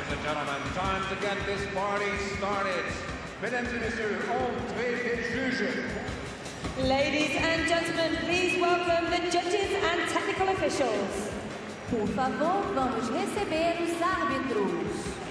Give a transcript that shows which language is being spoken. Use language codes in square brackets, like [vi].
[en] gentlemen, time to get this party started. [fr] Mesdames et messieurs, on fait les juges. [en] Ladies and gentlemen, please welcome the judges and technical officials. [pt] Por favor, vamos receber os árbitros.